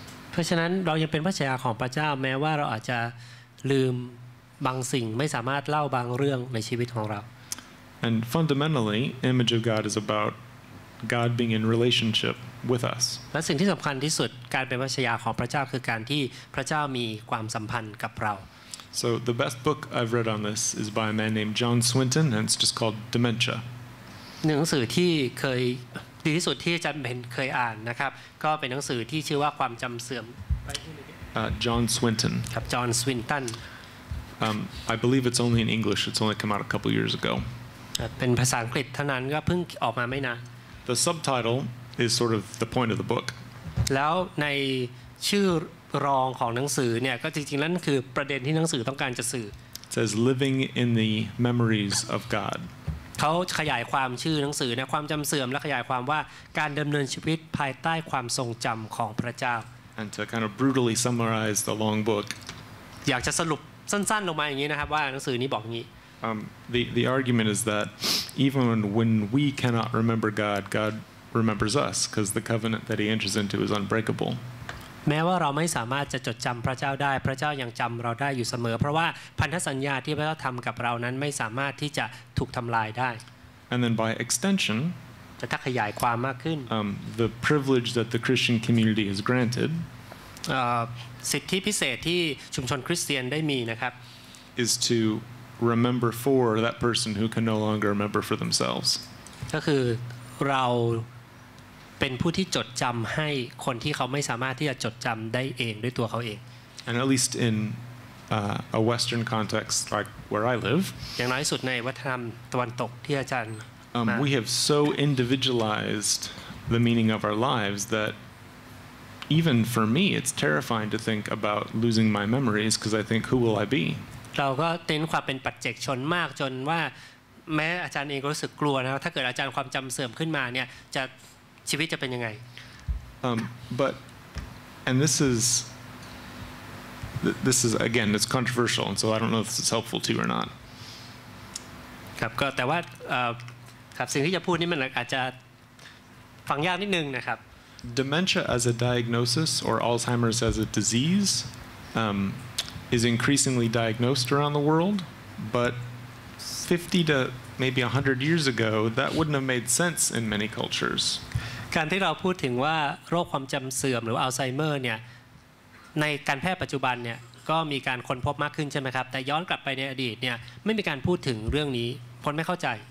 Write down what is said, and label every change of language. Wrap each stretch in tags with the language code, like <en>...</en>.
<th>เพราะฉะนั้นเรายังเป็นพระฉายาของพระเจ้าแม้ว่าเราอาจจะลืมบางสิ่งไม่สามารถเล่าบางเรื่องในชีวิตของเรา</th> <en>And fundamentally, image of God is about God being in relationship with us.</en> <th>และสิ่งที่สำคัญที่สุดการเป็นพระฉายาของพระเจ้าคือการที่พระเจ้ามีความสัมพันธ์กับเรา</th> <en>So the best book I've read on this is by a man named John Swinton, and it's just called Dementia.</en> <th>หนังสือที่เคยดีที่สุดที่จันเป็นเคยอ่านนะครับก็เป็นหนังสือที่ชื่อว่าความจำเสื่อม</th> <en>John Swinton.</en> <th>ครับ John Swinton.</th> <en>I believe it's only in English. It's only come out a couple years ago.</en> <th>เป็นภาษาอังกฤษเท่านั้นก็เพิ่งออกมาไม่นาน</th> <en>The subtitle is sort of the point of the book.</en> <th>แล้วในชื่อรองของหนังสือเนี่ยก็จริงๆนั่นคือประเด็นที่หนังสือต้องการจะสื่อ</th> <en>It says living in the memories of God</en> <th>เขาขยายความชื่อหนังสือนะความจำเสื่อมและขยายความว่าการดำเนินชีวิตภายใต้ความทรงจำของพระเจ้า</th> <en>And to kind of brutally summarize the long book</en> <th>อยากจะสรุปสั้นๆลงมาอย่างนี้นะครับว่าหนังสือนี้บอกงี้</th> <en>The argument is that even when we cannot remember God God remembers us because the covenant that He enters into is unbreakable</en> <th>แม้ว่าเราไม่สามารถจะจดจำพระเจ้าได้พระเจ้ายังจำเราได้อยู่เสมอเพราะว่าพันธสัญญาที่พระเจ้าทำกับเรานั้นไม่สามารถที่จะถูกทำลายได้</th> <en>And then by extension</en> <th>จะถ้าขยายความมากขึ้น</th> <en>the privilege that the Christian community has granted</en> <th>สิทธิพิเศษที่ชุมชนคริสเตียนได้มีนะครับ</th> <en>is to remember for that person who can no longer remember for themselves</en> <th>ก็คือเราเป็นผู้ที่จดจำให้คนที่เขาไม่สามารถที่จะจดจำได้เองด้วยตัวเขาเอง</th> <en>And at least in a Western context like where I live</en> <th>อย่างน้อยสุดในวัฒนธรรมตะวันตกที่อาจารย์</th> <en>We have so individualized the meaning of our lives that even for me it's terrifying to think about losing my memories because I think who will I be</en> <th>เราก็เต้นความเป็นปัจเจกชนมากจนว่าแม้อาจารย์เองก็รู้สึกกลัวนะถ้าเกิดอาจารย์ความจำเสื่อมขึ้นมาเนี่ยจะชีวิตจะเป็นยังไง</th> <en>and this is again it's controversial and so I don't know if this is helpful to you or not</en> <th>ครับก็แต่ว่าครับสิ่งที่จะพูดนี่มันอาจจะฟังยากนิดนึงนะครับ</th> <en>dementia as a diagnosis or Alzheimer's as a disease is increasingly diagnosed around the world, but 50 to maybe 100 years ago, that wouldn't have made sense in many cultures.</en> <th>การที่เราพูดถึงว่าโรคความจำเสื่อมหรืออัลไซเมอร์เนี่ยในการแพทย์ปัจจุบันเนี่ยก็มีการค้นพบมากขึ้นใช่ไหมครับแต่ย้อนกลับไปในอดีตเนี่ยไม่มีการพูดถึงเรื่องนี้คนไม่เข้าใจ</th>